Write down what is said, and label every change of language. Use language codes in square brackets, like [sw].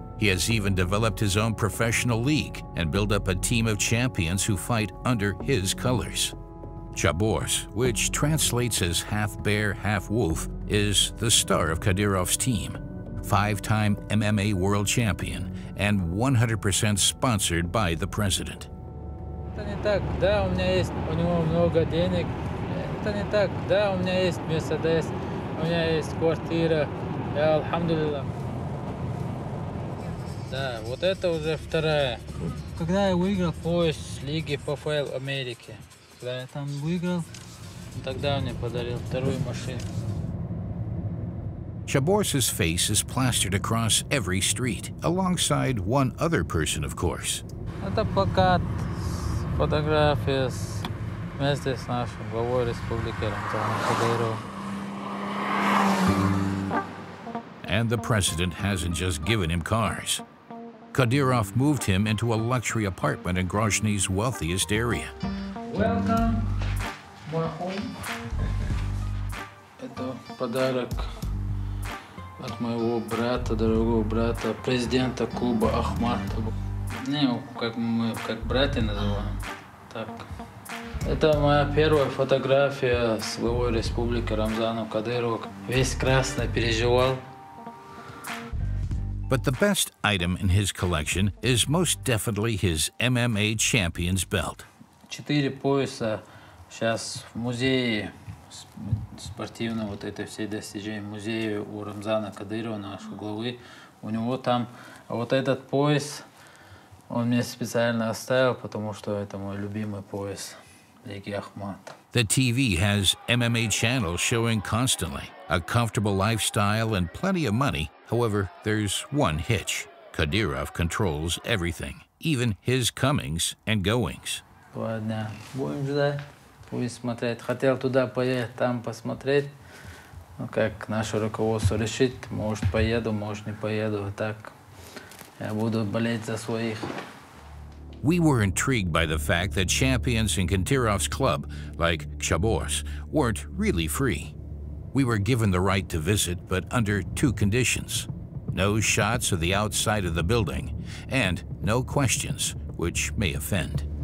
[en] He has even developed his own professional league and built up a team of champions who fight under his colors. Chabors, which translates as half bear, half wolf, is the star of Kadyrov's team. Five-time MMA world champion and 100% sponsored by the president. [ru] Это не так. Да, у меня есть, у него много денег. Это не так. Да, у меня есть Mercedes. У меня есть квартира. Я алхамдулилла. Да, вот это уже вторая. Когда я выиграл пояс лиги ПФЛ Америки. Когда я там выиграл, тогда он мне подарил вторую машину. [en] Chabors' face is plastered across every street, alongside one other person, of course. [ru] Это плакат, фотография с вместе с нашим главой республики Рамзаном Кадыровым. [en] And the president hasn't just given him cars. Kadyrov moved him into a luxury apartment in Grozny's wealthiest area. Welcome, my home. [ru] Это подарок от моего брата, дорогого брата, президента клуба Ахматова. Не, как мы как братья называем. Так. Это моя первая фотография с главой республики Рамзаном Кадыровым. Весь красный переживал. [en] But the best item in his collection is most definitely his MMA champion's belt. [ru] Четыре пояса сейчас в музее спортивного, вот это все достижения музея у Рамзана Кадырова, нашего главы. У него там вот этот пояс, он мне специально оставил, потому что это мой любимый пояс Лиги Ахмат. [en] The TV has MMA channels showing constantly. A comfortable lifestyle and plenty of money. However, there's one hitch. Kadyrov controls everything, even his comings and goings. [ru] Два дня. Будем ждать. Будем смотреть. Хотел туда поехать, там посмотреть. Ну, как наше руководство решит. Может, поеду, может, не поеду. Так, я буду болеть за своих. [en] We were intrigued by the fact that champions in Kadyrov's club, like Chabors, weren't really free. We were given the right to visit, but under two conditions. No shots of the outside of the building, and no questions, which may offend.